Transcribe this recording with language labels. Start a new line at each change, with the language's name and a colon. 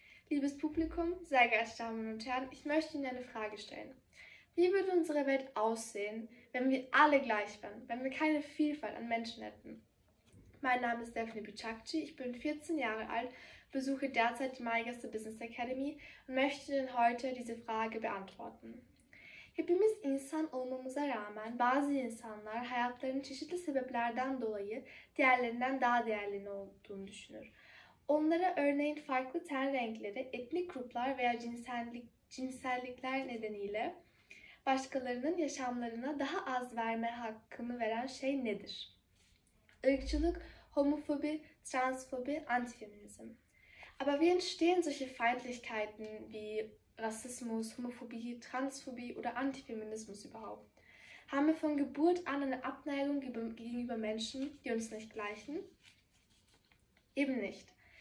German: Liebes Publikum, sehr geehrte Damen und Herren, ich möchte Ihnen eine Frage stellen. Wie würde unsere Welt aussehen, wenn wir alle gleich wären, wenn wir keine Vielfalt an Menschen hätten? Mein Name ist Stephanie Bicciacci, ich bin 14 Jahre alt, besuche derzeit die MyGäste Business Academy und möchte Ihnen heute diese Frage beantworten.
Turkish: Hepimiz insan olmamıza rağmen bazı insanlar hayatlarının çeşitli sebeplerden dolayı diğerlerinden daha değerli olduğunu düşünür. Onlara örneğin farklı ten renkleri, etnik gruplar veya cinsellikler nedeniyle başkalarının yaşamlarına daha az verme hakkını veren şey nedir? Irkçılık, homofobi, transfobi, antifeminizm.
German: Aber wie entstehen solche Feindlichkeiten wie Rassismus, Homophobie, Transphobie oder Antifeminismus überhaupt? Haben wir von Geburt an eine Abneigung gegenüber Menschen, die uns nicht gleichen? Eben nicht.